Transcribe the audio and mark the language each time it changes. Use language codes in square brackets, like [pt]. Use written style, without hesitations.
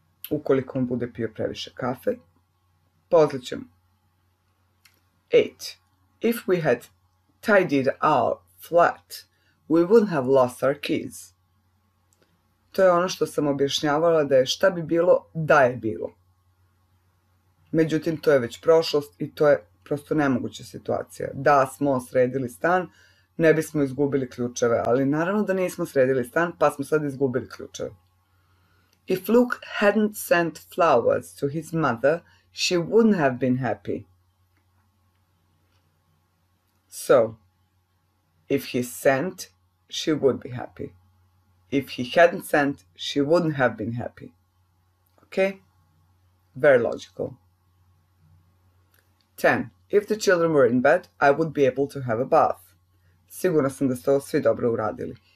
[sr] Ukoliko on bude pio previše kafe, pozlićemo. 8. [en] If we had tidied our flat, we wouldn't have lost our keys. [sr] To je ono što sam objašnjavala da je šta bi bilo da je bilo. Međutim, to je već prošlost i to je prosto nemoguća situacija. Da smo sredili stan, ne bismo izgubili ključeve, ali naravno da nismo sredili stan, pa smo sad izgubili ključeve. [en] If Luke hadn't sent flowers to his mother, she wouldn't have been happy. So, if he sent, she would be happy. If he hadn't sent, she wouldn't have been happy. Okay? Very logical. 10. If the children were in bed, I would be able to have a bath. [sr] Sigurna sam da ste ovo svi dobro uradili.